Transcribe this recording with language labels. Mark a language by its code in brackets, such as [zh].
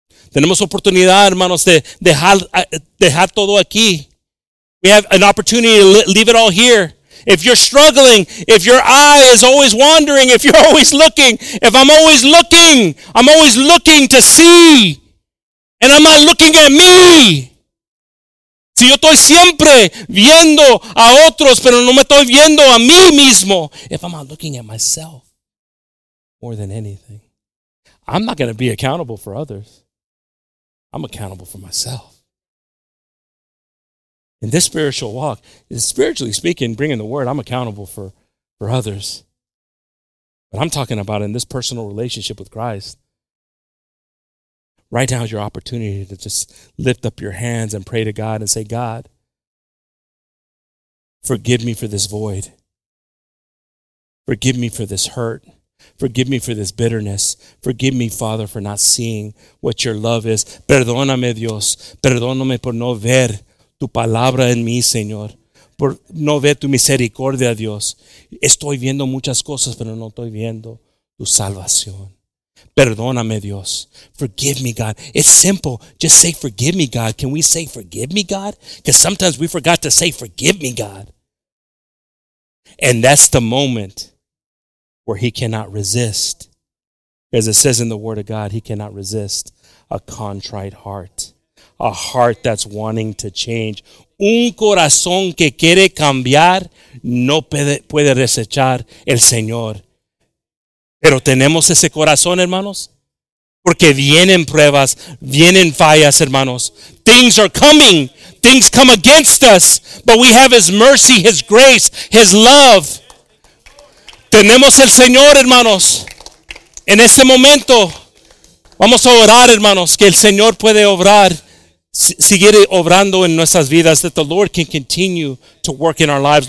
[es] Tenemos oportunidad, hermanos, de dejar todo aquí. [en] We have an opportunity to leave it all here. If you're struggling, if your eye is always wandering, if you're always looking, if I'm always looking to see. And I'm not looking at me. [es] Si yo estoy siempre viendo a otros, pero no me estoy viendo a mí mismo. [en] If I'm not looking at myself more than anything, I'm not going to be accountable for others. I'm accountable for myself. In this spiritual walk, spiritually speaking, bringing the word, I'm accountable for others. But I'm talking about in this personal relationship with Christ. Right now is your opportunity to just lift up your hands and pray to God and say, God, forgive me for this void. Forgive me for this hurt. Forgive me for this bitterness. Forgive me, Father, for not seeing what your love is. [es] Perdóname, Dios. Perdóname por no ver tu palabra en mí, Señor. Por no ver tu misericordia, Dios. Estoy viendo muchas cosas, pero no estoy viendo tu salvación. Perdóname, Dios. [en] Forgive me, God. It's simple. Just say, forgive me, God. Can we say, forgive me, God? Because sometimes we forgot to say, forgive me, God. And that's the moment where he cannot resist. As it says in the Word of God, he cannot resist a contrite heart. A heart that's wanting to change. [es] Un corazón que quiere cambiar no puede desechar el Señor. Pero tenemos ese corazón, hermanos, porque vienen pruebas, vienen fallas, hermanos. [en] Things are coming. Things come against us. But we have his mercy, his grace, his love. [es] Tenemos el Señor, hermanos. En este momento, vamos a orar, hermanos, que el Señor puede obrar, seguir obrando en nuestras vidas, [en] that the Lord can continue to work in our lives.